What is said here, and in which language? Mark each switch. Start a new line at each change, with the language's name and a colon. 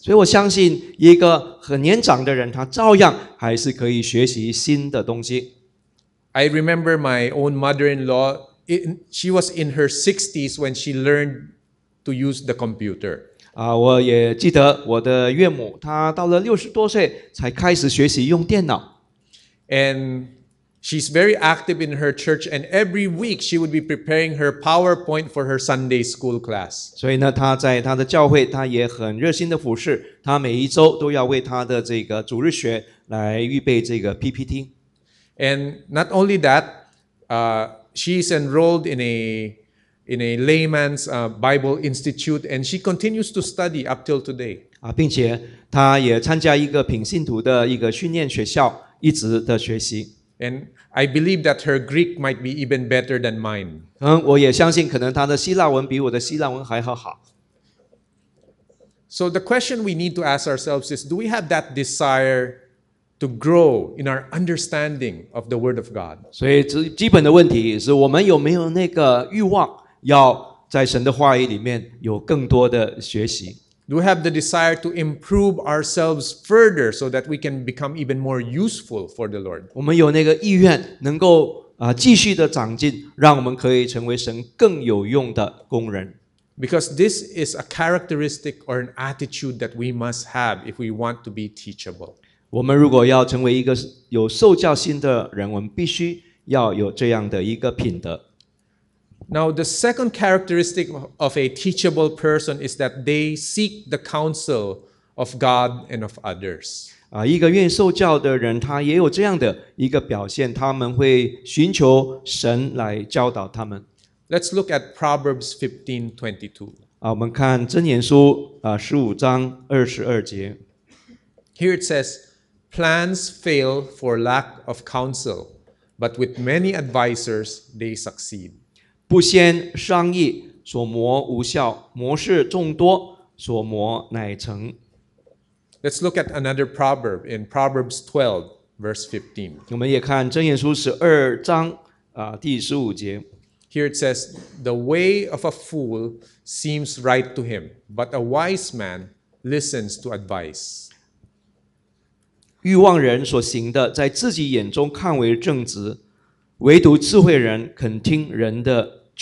Chinese: 所以我相信一个很年长的人，他照样还是可以学习新的东西。
English: I remember my own mother-in-law, she was in her 60s when she learned to use the computer.
Chinese: 我也记得我的岳母，她到了60多岁才开始学习用电脑。
English: And she's very active in her church, and every week she would be preparing her PowerPoint for her Sunday school class.
Chinese: 所以呢，她在她的教会，她也很热心的服事，她每一周都要为她的这个主日学来预备这个 PPT。
English: And not only that, she's enrolled in a layman's Bible Institute, and she continues to study up till today.
Chinese: 并且她也参加一个品信徒的一个训练学校，一直的学习。
English: And I believe that her Greek might be even better than mine.
Chinese: 我也相信可能她的希腊文比我的希腊文还要好。
English: So the question we need to ask ourselves is, do we have that desire to grow in our understanding of the Word of God?
Chinese: 所以基本的问题是我们有没有那个欲望要在神的话语里面有更多的学习。
English: Do we have the desire to improve ourselves further so that we can become even more useful for the Lord?
Chinese: 我们有那个意愿能够继续的长进，让我们可以成为神更有用的工人。
English: Because this is a characteristic or an attitude that we must have if we want to be teachable.
Chinese: 我们如果要成为一个有受教心的人，我们必须要有这样的一个品德。
English: Now, the second characteristic of a teachable person is that they seek the counsel of God and of others.
Chinese: 一个愿意受教的人，他也有这样的一个表现，他们会寻求神来教导他们。
English: Let's look at Proverbs 15:22.
Chinese: 我们看箴言书15:22.
English: Here it says, "Plans fail for lack of counsel, but with many advisers they succeed."
Chinese: 不先商议，所谋无效；谋事众多，所谋乃成。
English: Let's look at another proverb in Proverbs 12:15.
Chinese: 我们也看箴言书12:第15.
English: Here it says, "The way of a fool seems right to him, but a wise man listens to advice."
Chinese: 欲望人所行的，在自己眼中看为正直，唯独智慧人肯听人的。